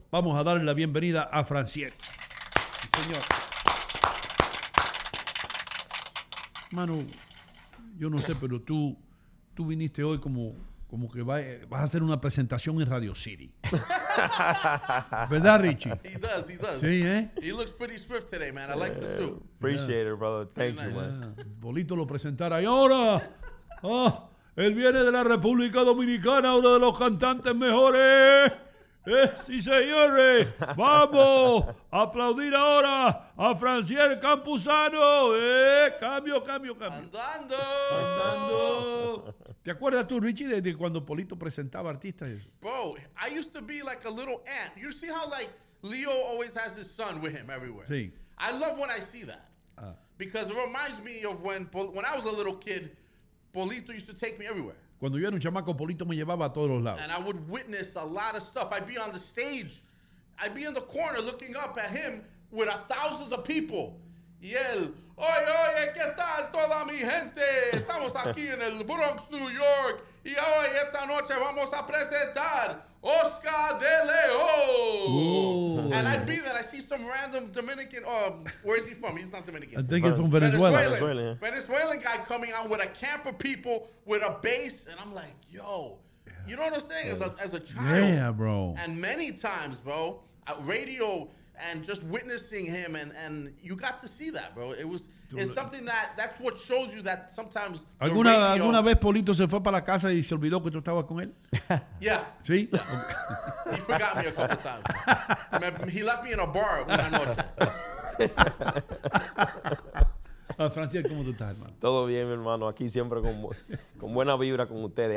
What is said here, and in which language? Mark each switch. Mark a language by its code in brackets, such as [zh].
[es] Vamos a darle la bienvenida a Francier. Sí, señor. Manu, yo no sé, pero tú viniste hoy como que vas a hacer una presentación en Radio City. ¿Verdad, Richie? [en] He does. [es] Sí, ¿eh? [en] He looks pretty swift today, man. I like the suit. Appreciate it, brother. Thank you, man. [es] Bolito lo presentará. ¡Y ahora! ¡Oh! Él viene de la República Dominicana, uno de los cantantes mejores. Sí, señores. Vamos a aplaudir ahora a Francier Campuzano. Cambio. Andando. ¿Te acuerdas tú, Richie, de cuando Polito presentaba artistas? [en] Bro, I used to be like a little ant. You see how like Leo always has his son with him everywhere. [es] Sí. [en] I love when I see that. Because it reminds me of when I was a little kid, Polito used to take me everywhere. [es] Cuando yo era un chamaco, Polito me llevaba a todos los lados. [en] And I would witness a lot of stuff. I'd be on the stage. I'd be in the corner looking up at him with thousands of people. [es] Y él, oye, oye, ¿qué tal toda mi gente? Estamos aquí en el Bronx, New York. Y hoy, esta noche, vamos a presentar Oscar de León. Ooh. [en] And I'd be there. I see some random Dominican. Where is he from? He's not Dominican. I think he's from Venezuela. Venezuelan guy coming out with a camp of people with a bass. And I'm like, yo. Yeah. You know what I'm saying? As a child. Yeah, bro. And many times, bro, at radio and just witnessing him. And you got to see that, bro. It was... Es something that's what shows you that sometimes [es] alguna radio... alguna vez Polito se fue para la casa y se olvidó que tú estabas con él. [en] Yeah. [es] Sí. [en] Yeah. He forgot me a couple times. He left me in a bar [es] una noche. Francier, ¿cómo tú estás, hermano? Todo bien, mi hermano. Aquí siempre con buena vibra con ustedes.